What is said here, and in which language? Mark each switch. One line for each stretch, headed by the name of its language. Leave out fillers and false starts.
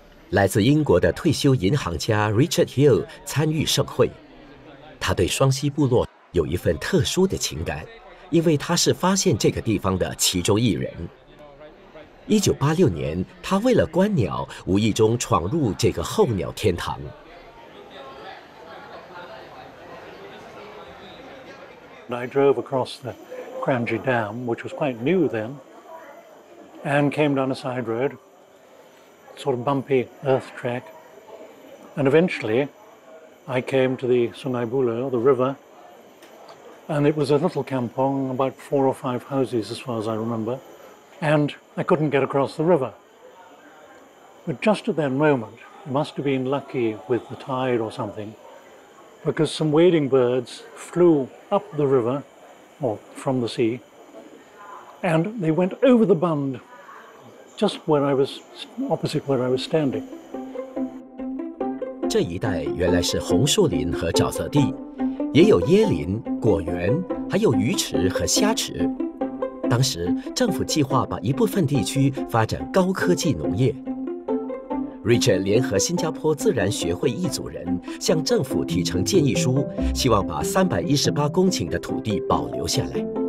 Chinese: 来自英国的退休银行家 Richard Hill 参与盛会，他对双溪部落有一份特殊的情感，因为他是发现这个地方的其中一人。 1986年，他为了观鸟，无意中闯入这个候鸟天堂。
English: And I drove across the Cramji Dam, which was quite new then, and came down a side road, sort of bumpy earth track. And eventually, I came to the Sungai Buloh, the river, And it was a little kampong, about 4 or 5 houses as far as I remember. And I couldn't get across the river. But just at that moment, I must have been lucky with the tide or something, because some wading birds flew up the river, or from the sea, and they went over the bund, just where I was, opposite where I was standing.
Chinese: 这一带原来是红树林和沼泽地，也有椰林、果园，还有鱼池和虾池。当时政府计划把一部分地区发展高科技农业。 Richard 联合新加坡自然学会一组人向政府提呈建议书，希望把318公顷的土地保留下来。